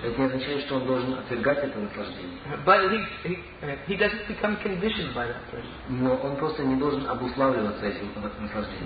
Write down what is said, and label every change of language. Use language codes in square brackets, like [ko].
[ru] Это не означает, что он должен отвергать это наслаждение. [en] But he doesn't become conditioned by that pleasure. [ru] Но он просто не должен обуславливаться этим наслаждением.